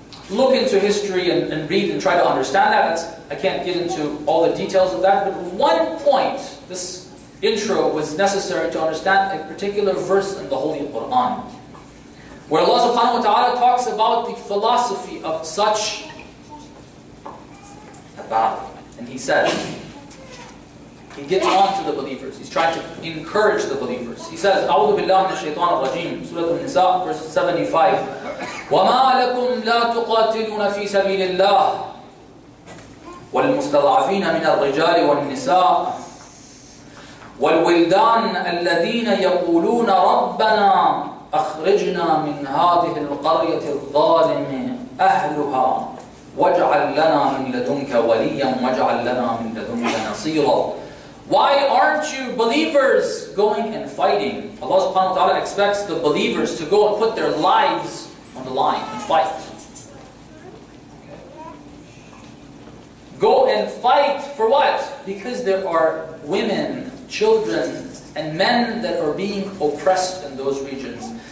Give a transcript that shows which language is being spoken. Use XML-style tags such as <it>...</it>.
<en>Look into history and read and try to understand that. I can't get into all the details of that, but one point, this intro was necessary to understand a particular verse in the Holy Qur'an, where Allah subhanahu wa ta'ala talks about the philosophy of such a battle. And he says, he gets on to the believers, he's trying to encourage the believers. He says,</en> <ar>أعوذ بالله من الشيطان الرجيم, Surah Al-Nisa, verse 75, وَمَا لَكُمْ لَا تُقَاتِلُونَ فِي سَبِيلِ اللَّهِ وَالْمُسْتَضْعَفِينَ مِنَ الرِّجَالِ وَالنِّسَاءِ والولدان الذين يقولون ربنا أخرجنا من هذه القرية الظالم أهلها واجعل لنا من لدنك وليا واجعل لنا من لدنك نصيرا.</ar> <en>Why aren't you believers going and fighting? Allah subhanahu wa ta'ala expects the believers to go and put their lives on the line and fight. Go and fight for what? Because there are women, children, and men that are being oppressed in those regions.</en>